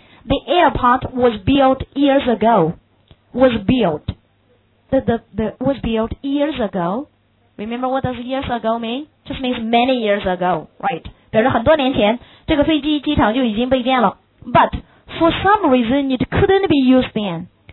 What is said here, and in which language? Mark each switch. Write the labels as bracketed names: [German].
[English] The airport was built years ago， was built， the was built years ago。 Remember what does years ago mean？ Just means many years ago， right？ [Chinese] 表示很多年前，这个飞机机场就已经被建了。 [English] But for some reason it couldn't be used then。